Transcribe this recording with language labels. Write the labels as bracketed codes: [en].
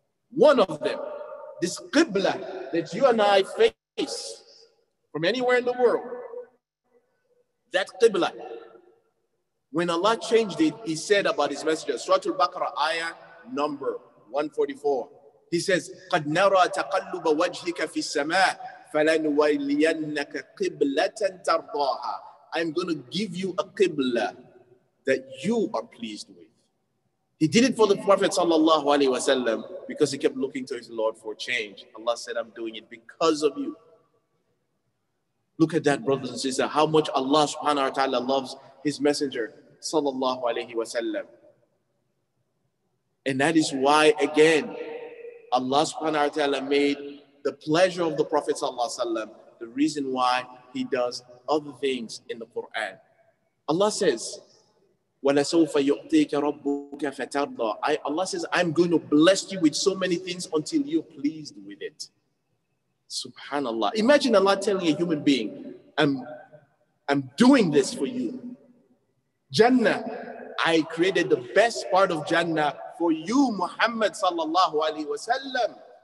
[en] One of them, this qibla that you and I face from anywhere in the world, that qibla, when Allah changed it, he said about his messenger, Surah Al-Baqarah, ayah number 144. He says, [ar] قَدْ نَرَى تَقَلُّبَ وَجْهِكَ فِي السَّمَاءِ فَلَنُوَلِّيَنَّكَ قِبْلَةً تَرْضَاهَا. [en] I'm going to give you a qibla that you are pleased with. He did it for the Prophet sallallahu alaihi wasallam because he kept looking to his Lord for change. Allah said, I'm doing it because of you. Look at that, brothers and sisters, how much Allah subhanahu wa ta'ala loves his messenger, sallallahu alayhi wa sallam. And that is why, again, Allah subhanahu wa ta'ala made the pleasure of the Prophet sallallahu alayhi wa sallam the reason why he does other things in the Quran. Allah says, [ar] وَلَسَوْفَ يُعْطِيكَ رَبُّكَ فَتَرْضَى. [en] Allah says, I'm going to bless you with so many things until you're pleased with it. Subhanallah. Imagine Allah telling a human being, I'm doing this for you. Jannah, I created the best part of Jannah for you, Muhammad sallallahu alayhi wa sallam.